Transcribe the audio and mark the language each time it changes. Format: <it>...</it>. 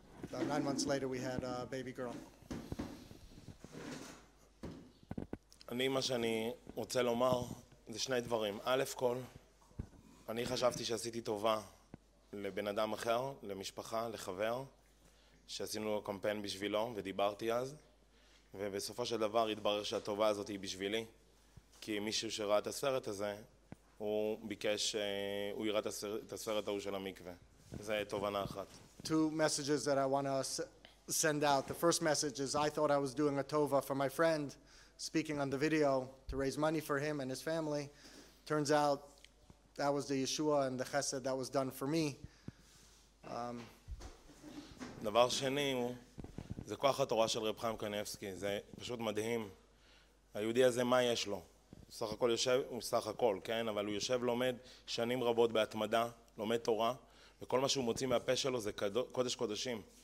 <en>About 9 months later, we had a baby girl.</en> <he>אני מה שאני רוצה לומר זה שני דברים. א' כל, אני חשבתי שעשיתי טובה לבן אדם אחר, למשפחה, לחבר, שעשינו קמפיין בשבילו ודיברתי אז. ובסופו של דבר התברר שהטובה הזאת היא בשבילי, כי מישהו שראה את הסרט הזה, הוא ביקש, הוא יראה את הסרט ההוא של המקווה. זה תובנה אחת.</he> <en>Two messages that I want to send out. The first message is I thought I was doing a tova for my friend, speaking on the video to raise money for him and his family. Turns out that was the Yeshua and the chesed that was done for me.</en> <he>דבר שני הוא... זה כוח התורה של רב חיים קניאבסקי, זה פשוט מדהים. היהודי הזה, מה יש לו? סך הכל יושב, הוא סך הכל, כן? אבל הוא יושב, לומד שנים רבות בהתמדה, לומד תורה, וכל מה שהוא מוציא מהפה שלו זה קודש קודשים.</he>